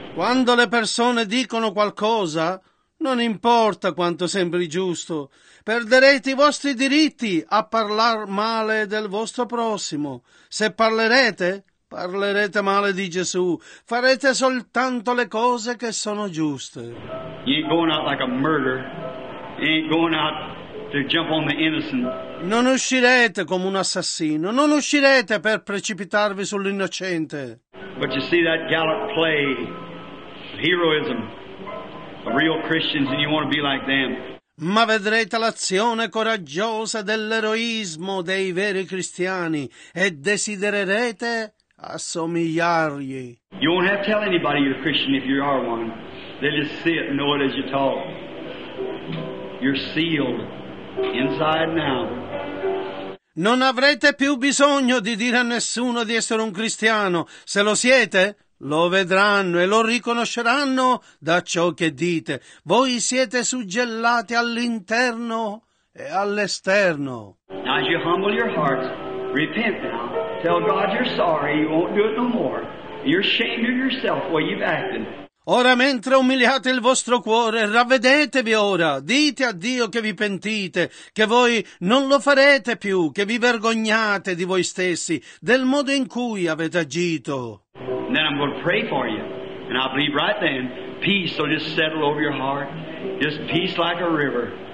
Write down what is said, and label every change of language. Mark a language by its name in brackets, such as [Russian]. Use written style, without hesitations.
[Italian] Quando le persone dicono qualcosa, non importa quanto sembri giusto, perderete i vostri diritti a parlare male del vostro prossimo. Se parlerete, Parlerete male di Gesù. Farete soltanto le cose che sono giuste. [English] You ain't going out like a murderer. You ain't going out to jump on the innocent. [Italian] Non uscirete come un assassino. Non uscirete per precipitarvi sull'innocente. [English] But you see that gallant play of heroism of real Christians, and you want to be like them. [Italian] Ma vedrete l'azione coraggiosa dell'eroismo dei veri cristiani e desidererete assomigliargli. [English] You won't have to tell anybody you're a Christian if you are one. They'll just see it and know it as you talk. You're sealed inside now. [Italian] Non avrete più bisogno di dire a nessuno di essere un cristiano. Se lo siete, lo vedranno e lo riconosceranno da ciò che dite. Voi siete suggellati all'interno e all'esterno. [English] Now as you humble your heart, repent now. Tell God you're sorry, you won't do it no more. You're ashamed of yourself, what you've acted. [Italian] Ora mentre umiliate il vostro cuore, ravvedetevi ora, dite a Dio che vi pentite, che voi non lo farete più, che vi vergognate di voi stessi, del modo in cui avete agito. [English] And then I'm going to pray for you, and I believe right then, peace will just settle over your heart, just peace like a river.